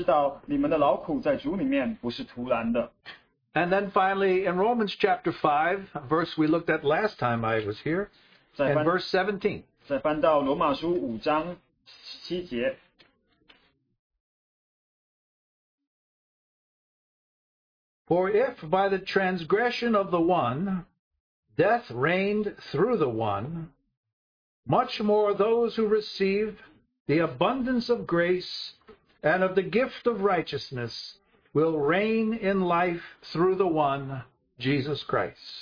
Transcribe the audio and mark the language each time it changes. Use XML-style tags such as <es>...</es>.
<zh>哥林多前书15章58节，所以我亲爱的弟兄们，你们务要坚固，不可摇动，常常竭力多做主工，因为知道你们的劳苦在主里面不是徒然的。</zh> <en>And then finally, in Romans chapter 5, a verse we looked at last time I was here, in verse 17.</en> <zh>再翻到罗马书五章七节。</zh> <en>For if by the transgression of the one, death reigned through the one, much more those who receive the abundance of grace and of the gift of righteousness will reign in life through the one, Jesus Christ.</en>